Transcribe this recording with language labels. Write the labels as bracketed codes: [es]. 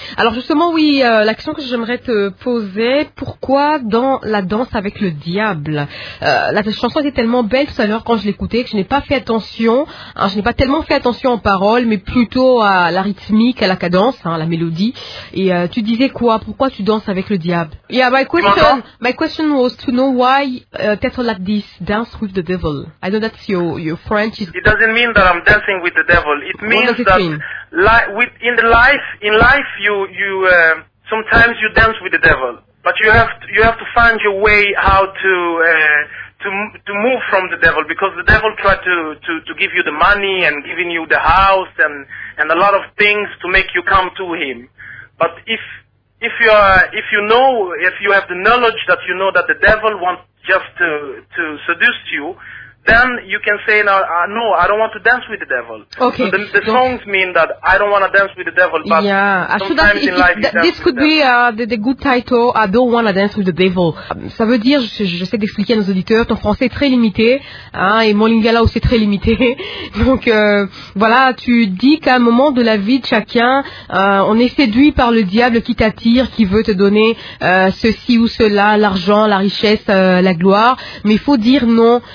[fr] Alors justement, oui, la question que j'aimerais te poser, pourquoi dans la danse avec le diable? La chanson était tellement belle tout à l'heure quand je l'écoutais que je n'ai pas fait attention. Hein, je n'ai pas tellement fait attention aux paroles, mais plutôt à la rythmique, à la cadence, hein, à la mélodie. Et tu disais quoi? Pourquoi tu danses avec le diable? [en] Yeah, my question was to know why Tetra like this, Dance with the Devil. I know that's your French. It doesn't mean that I'm dancing with the devil. It means In life, you sometimes you dance with the devil, but you have to find your way how to move from the devil, because the devil tried to give you the money and giving you the house and a lot of things to make you come to him. But if you have the knowledge that you know that the devil wants just to seduce you, then you can say, no, I don't want to dance with the devil. Okay. So the songs mean that I don't want to dance with the devil, but yeah. Sometimes so in life... This could be the good title, I don't want to dance with the devil. [fr] Ça veut dire, j'essaie d'expliquer à nos auditeurs, ton français est très limité, hein, et mon lingala aussi est très limité. Donc, voilà, tu dis qu'à un moment de la vie de chacun, on est séduit par le diable qui t'attire, qui veut te donner ceci ou cela, l'argent, la richesse, la gloire, mais il faut dire non.